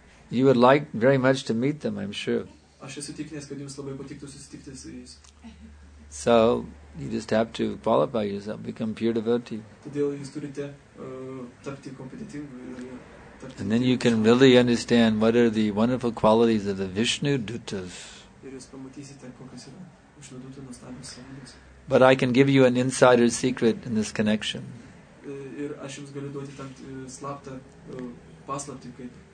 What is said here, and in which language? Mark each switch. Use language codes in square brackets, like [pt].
[en] You would like very much to meet them, I'm sure. [lt] Aš esu tikinęs, kad jums labai patiktų susitikti su jais. [en] So, you just have to qualify yourself, become pure devotee. [lt] Todėl jūs turite tapti kompetitingu. [en] And then you can really understand what are the wonderful qualities of the Vishnu Dutas. [lt] Ir jūs pamatysite, kokios yra Vishnu Dutas nuostabios savybės. [en] But I can give you an insider secret in this connection. [lt] Ir aš jums galiu duoti tam slaptą paslaptį, kaip